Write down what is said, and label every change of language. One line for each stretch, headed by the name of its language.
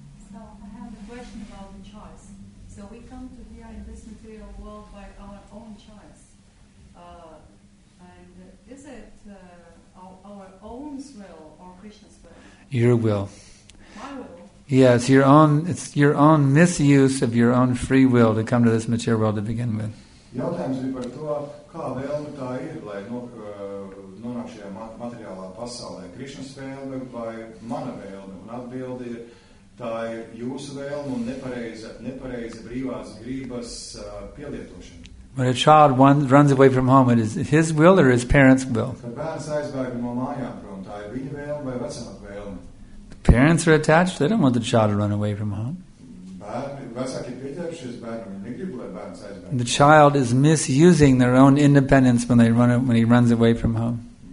English: So I have a question about the choice. So we come to here in this material world by our own choice. And is it our own will or Krishna's will? Your will. Yes, it's your own misuse of your own free will to come to this material world to begin with.
Latvian: Jautājums ir par to, kā vēlme tā ir, lai nonāk šajā materiālā pasaulē. Krišnas vēlme vai mana vēlme? Un atbildi ir, tā ir jūsu vēlme un nepareiza brīvās grības pielietošana.
English: When a child runs away from home, it is his will or his parents' will?
Latvian: Kad bērns aizbēg no mājām prom, tā ir viņa vēlme vai vecāka vēlme?
English: Parents are attached. They don't want the child to run away from home. The child is misusing their own independence when he runs away from home.